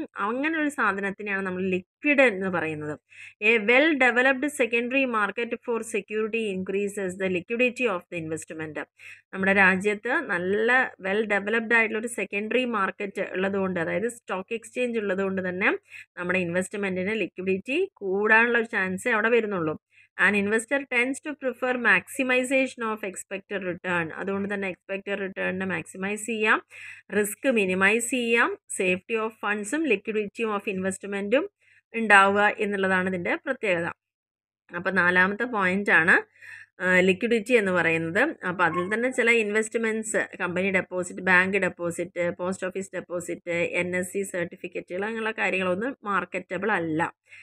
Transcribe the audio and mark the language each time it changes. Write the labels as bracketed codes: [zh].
[ml] അങ്ങനെ ഒരു സാധനത്തിനെയാണ് നമ്മൾ ലിക്വിഡ് എന്ന് പറയുന്നത്. [en] A well developed secondary market for security increases the liquidity of the investment. [ml] നമ്മുടെ രാജ്യത്ത് നല്ല വെൽ ഡെവലപ്ഡ് ആയിട്ടുള്ള ഒരു സെക്കൻഡറി മാർക്കറ്റ് ഉള്ളതുകൊണ്ട്, അതായത് സ്റ്റോക്ക് എക്സ്ചേഞ്ച് ഉള്ളതുകൊണ്ട് തന്നെ നമ്മുടെ ഇൻവെസ്റ്റ്മെൻറ്റിന് ലിക്വിഡിറ്റി കൂടാനുള്ള ഒരു ചാൻസേ അവിടെ വരുന്നുള്ളൂ. [en] An investor tends to prefer maximization of expected return. [ml] അതുകൊണ്ട് തന്നെ എക്സ്പെക്റ്റഡ് റിട്ടേണിനെ മാക്സിമൈസ് ചെയ്യാം, റിസ്ക് മിനിമൈസ് ചെയ്യാം, സേഫ്റ്റി ഓഫ് ഫണ്ട്സും ലിക്വിഡിറ്റിയും ഓഫ് ഇൻവെസ്റ്റ്മെൻറ്റും ഉണ്ടാവുക എന്നുള്ളതാണ് ഇതിൻ്റെ പ്രത്യേകത. അപ്പം നാലാമത്തെ പോയിൻ്റാണ് ലിക്വിഡിറ്റി എന്ന് പറയുന്നത്. അപ്പം അതിൽ തന്നെ ചില investments, company deposit, bank deposit, post office deposit, NSE സർട്ടിഫിക്കറ്റുകൾ അങ്ങനെയുള്ള കാര്യങ്ങളൊന്നും മാർക്കറ്റബിൾ അല്ല.